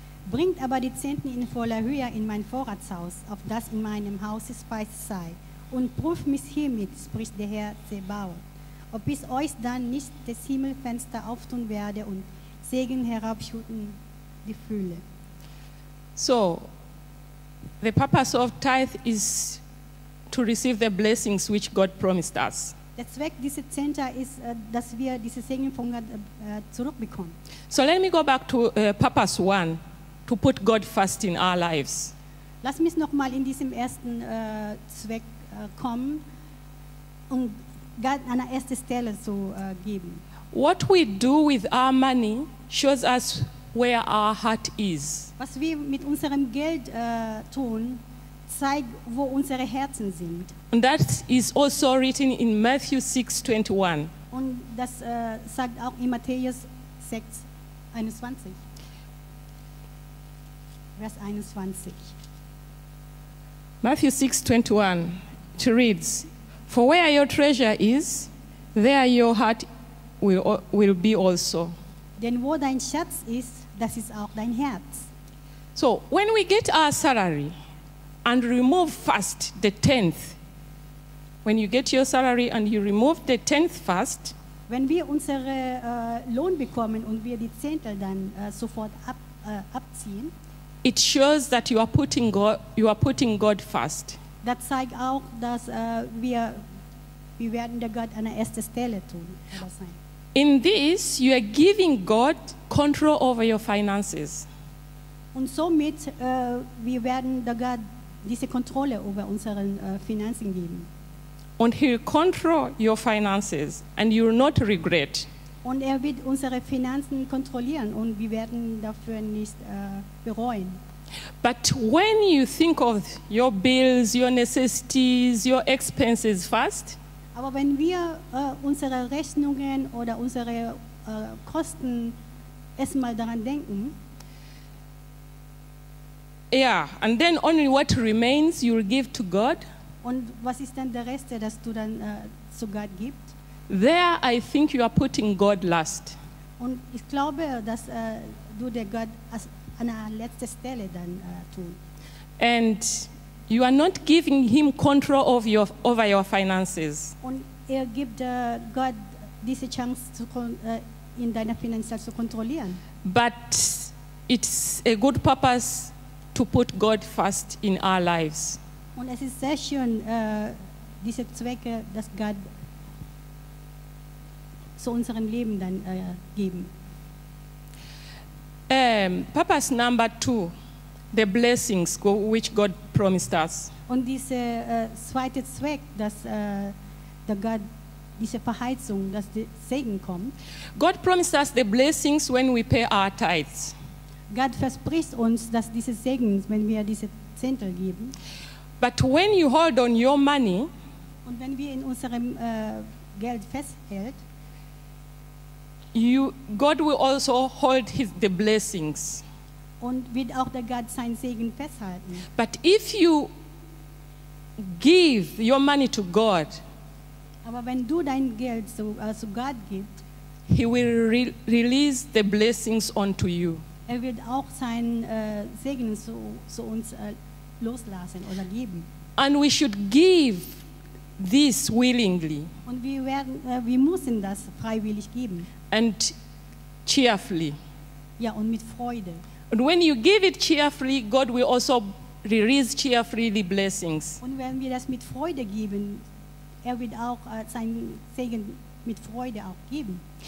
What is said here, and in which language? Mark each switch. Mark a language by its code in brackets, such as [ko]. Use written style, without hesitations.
[de] Bringt aber die Zehnten in voller Höhe in mein Vorratshaus, auf das in meinem Hause Speise sei, und prüft mich hiermit, spricht der Herr Zebaoth, ob ich euch dann nicht das Himmelfenster auftun werde und Segen herabschütten die Fülle. So. [en] The purpose of tithe is to receive the blessings which God promised us. [de] Der Zweck dieser Zehnte ist, dass wir diese Segen von Gott zurückbekommen. [en] So let me go back to purpose one, to put God first in our lives. [de] Lass mich noch mal in diesem ersten Zweck kommen, um Gott an der ersten Stelle zu geben. [en] What we do with our money shows us where our heart is. [de] Was wir mit unserem Geld tun, zeigt, wo unsere Herzen sind. [en] And that is also written in Matthew 6:21. [de] Und das sagt auch in Matthäus 6:21. Vers 21. [en] Matthew 6:21, it reads, "For where your treasure is, there your heart will be also." [de] Denn wo dein Schatz ist, das ist auch dein Herz. [en] So, when we get our salary and remove first the tenth, when you get your salary and you remove the tenth first, [de] wenn wir unsere Lohn bekommen und wir die Zehntel dann sofort abziehen, [en] it shows that you are putting God first. [de] Das zeigt auch, dass wir werden der Gott an der ersten Stelle tun. [en] In this, you are giving God control over your finances. [de] Und somit wir werden der Gott diese Kontrolle über unseren Finanzen geben. [en] And he'll control your finances and you'll not regret. [de] Und er wird unsere Finanzen kontrollieren und wir werden dafür nicht bereuen. [en] But when you think of your bills, your necessities, your expenses first, [de] aber wenn wir unsere Rechnungen oder unsere Kosten erstmal daran denken, [en] yeah, and then only what remains you will give to God. [de] Und was ist denn der Rest, das du dann zu Gott gibst? [en] There I think you are putting God last. [de] Und ich glaube, dass du der Gott als an der letzten Stelle dann tun. [en] And you are not giving him control of your over your finances. [de] Und er gibt Gott diese Chance zu in deiner Finanzen zu kontrollieren. [en] But it's a good purpose to put God first in our lives. [de] Und es ist sehr schön, diese Zwecke, dass Gott zu unserem Leben dann geben. [en] Purpose number two, the blessings which God promised us. [de] Und diese zweite Zweck, dass der Gott diese Verheißung, dass der Segen kommt. [en] God promised us the blessings when we pay our tithes. [de] Gott verspricht uns, dass diese Segen, wenn wir diese Zehntel geben. [en] But when you hold on your money, [de] und wenn wir in unserem Geld festhält, [en] you God will also hold his the blessings. [de] Und wird auch der Gott seinen Segen festhalten. [en] But if you give your money to God, [de] aber wenn du dein Geld zu also Gott gibst, [en] he will release the blessings onto you. [de] Er wird auch seinen Segen zu uns loslassen oder geben. [en] And we should give this willingly. [de] Und wir müssen das freiwillig geben. [en] And cheerfully. [de] Ja, und mit Freude. [en] And when you give it cheerfully, God will also release cheerfully the blessings. [de] Und wenn wir das mit Freude geben, er wird auch seinen Segen mit Freude auch geben.